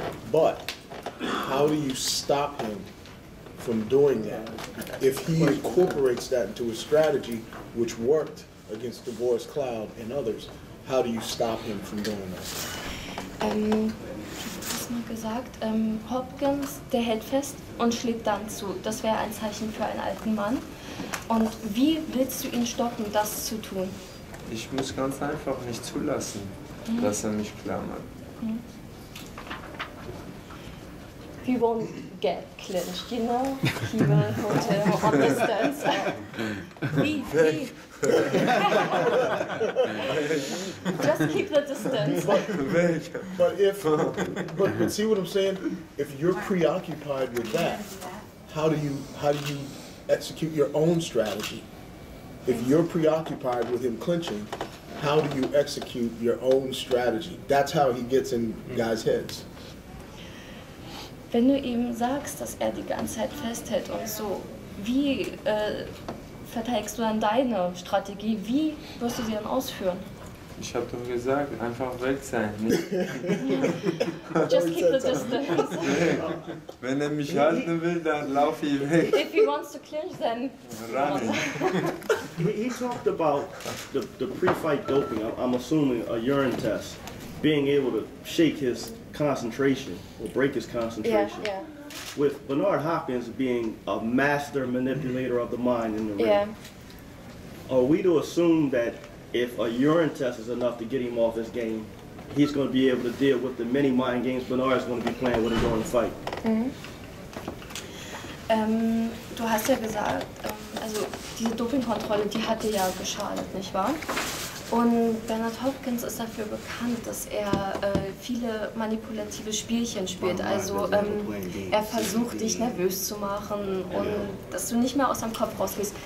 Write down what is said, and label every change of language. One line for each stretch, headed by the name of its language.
English: But how do you stop him from doing that if he incorporates that into his strategy, which worked against DeVore's Cloud and others? How do you stop him from doing that?
German: Hast du mal gesagt, Hopkins, der hält fest und schlägt dann zu. Das wäre ein Zeichen für einen alten Mann. Und wie willst du ihn stoppen, das zu tun? Ich muss ganz einfach nicht zulassen, dass er mich klammert.
English: He won't get clinched, you know? He will hold him on distance. Just keep the distance. But see what I'm saying? If you're preoccupied with that, how do you execute your own strategy? If you're preoccupied with him clinching, how do you execute your own strategy? That's how he gets in guys' heads.
German: Wenn du ihm sagst, dass er die ganze Zeit festhält und so, wie verteidigst du dann deine Strategie? Wie wirst du sie dann ausführen? Ich habe doch gesagt, einfach weg sein.
English: Just keep the distance.
German: Wenn er mich halten will, dann lauf ich weg.
English: If he wants to clinch, then run. He talked about the pre-fight doping, I'm assuming a urine test, being able to shake his concentration or break his concentration. Yeah, yeah. With Bernard Hopkins being a master manipulator of the mind in the ring, yeah. Are we to assume that if a urine test is enough to get him off his game, he's going to be able to deal with the many mind games Bernard is going to be playing with him during the fight? Mm-hmm.
German: Du hast ja gesagt, also diese Dopingkontrolle, die hat dir ja geschadet, nicht wahr? Und Bernard Hopkins ist dafür bekannt, dass er viele manipulative Spielchen spielt. Also er versucht, dich nervös zu machen und dass du nicht mehr aus deinem Kopf rausgehst.